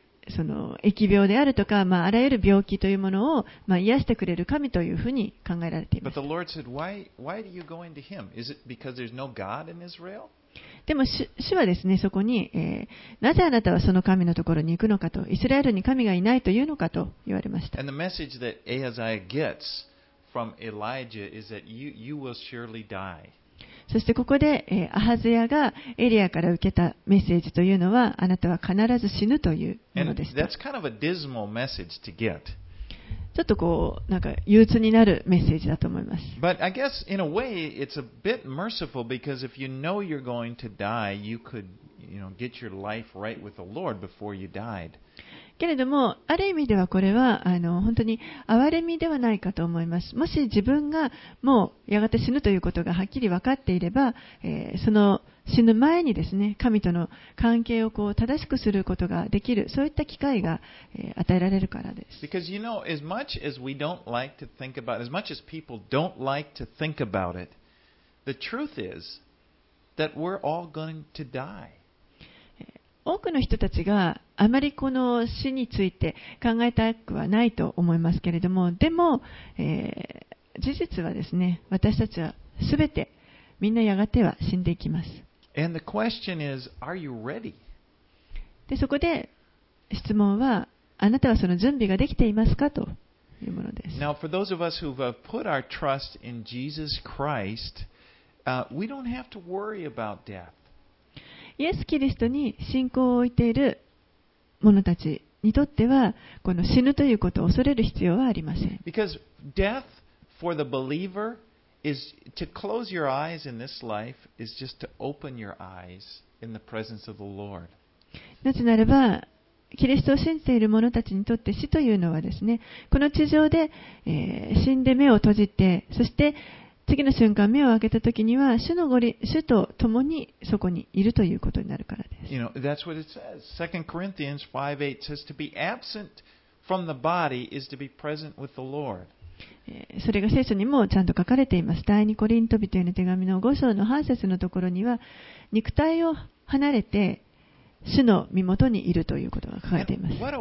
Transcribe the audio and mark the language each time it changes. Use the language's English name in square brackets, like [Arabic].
[Japanese] その疫病であるとか、まあ、あらゆる病気というものを、まあ、癒してくれる神というふうに考えられています。 [English] But the Lord said, why do you go into him? Is it because there's no God in Israel? [Japanese] でも主はですね、そこに、なぜあなたはその神のところに行くのかと、イスラエルに神がいないというのかと言われました。 [English] And the message that Ahaziah gets from Elijah is that you will surely die. [Japanese] そしてここで、アハズヤがエリアから受けたメッセージというのは、あなたは必ず死ぬというものでした。 [English] And that's kind of a dismal message to get. [Japanese] ちょっとこう、なんか憂鬱になるメッセージだと思います。 [English] But I guess in a way it's a bit merciful because if you know you're going to die, you could, you know, get your life right with the Lord before you died. [Japanese] けれどもある意味ではこれは本当に憐れみではないかと思います。もし自分がもうやがて死ぬということがはっきり分かっていれば、その死ぬ前にですね、神との関係をこう正しくすることができる、そういった機会が、与えられるからです。 [English] Because you know, as much as we don't like to think about it, as much as people don't like to think about it, the truth is that we're all going to die. [Japanese] 多くの人たちがあまりこの死について考えたくはないと思いますけれども、でも、事実はですね、私たちはすべて、みんなやがては死んでいきます。 [English] And the question is, are you ready? [Japanese] でそこで質問はあなたはその準備ができていますかというものです。 [English] Now for those of us who have put our trust in Jesus Christ, we don't have to worry about death. [Japanese] イエス・キリストに信仰を置いている者たちにとってはこの死ぬということを恐れる必要はありません。 [English] Because death for the believeris to close your eyes in this life is just to open your eyes in the presence of the Lord. [Japanese] なぜならば、キリストを信じている者たちにとって死というのはですね、この地上で、死んで目を閉じて、そして次の瞬間目を開けた時には主と共にそこにいるということになるからです。 [English] You know, that's what it says. 2 Corinthians 5:8 says to be absent from the body is to be present with the Lord. [Japanese] それが聖書にもちゃんと書かれています。第2コリント人への手紙の5章の8節のところには肉体を離れて主の身元にいるということが書かれています。